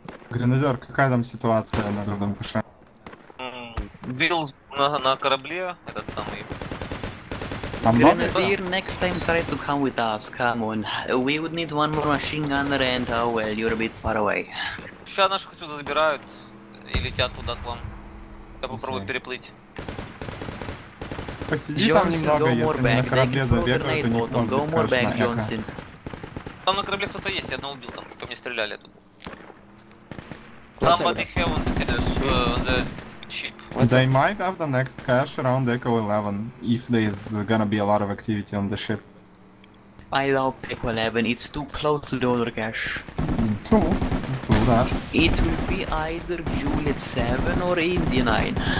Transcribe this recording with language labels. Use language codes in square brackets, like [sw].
[ru] Гренадер, какая там ситуация на другом пуше? Бил на корабле, этот самый. [en] Grenadier, next time try to come with us, come on. We would need one more machine gunner and oh well, you're a bit far away. [ru] Сейчас наших отсюда забирают и летят туда к вам. Я попробую переплыть. Посиди там немного, если они на корабле забегают, у них может быть, конечно, эхо. [en] Johnson. [ru] Там на корабле кто-то есть, я одного убил там, по мне стреляли тут. [en] Somebody have on the ship. They might have the next cache around Echo 11, if there's gonna be a lot of activity on the ship. I doubt Echo 11, it's too close to the other cache. True that. It will be either Juliet 7 or Indy 9.